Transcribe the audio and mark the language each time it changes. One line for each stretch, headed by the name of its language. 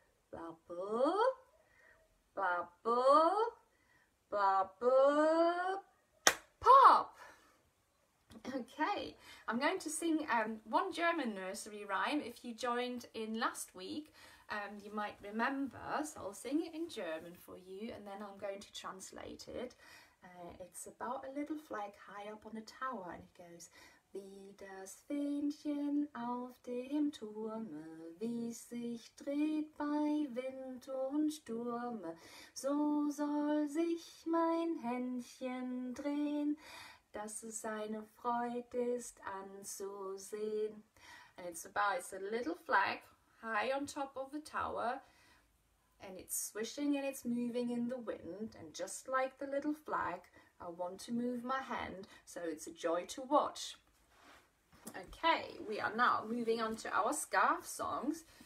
English: Bubble, bubble, bubble, pop! Okay, I'm going to sing one German nursery rhyme. If you joined in last week, you might remember, so I'll sing it in German for you and then I'm going to translate it. It's about a little flag high up on a tower and it goes,
German: wie das Fähnchen auf dem Turme, wie sich dreht bei Wind und Sturme, so soll sich mein Händchen drehen, dass es seine Freude ist anzusehen.
English: And it's about, it's a little flag high on top of the tower and it's swishing and it's moving in the wind, and just like the little flag, I want to move my hand, so it's a joy to watch. Okay, we are now moving on to our scarf songs.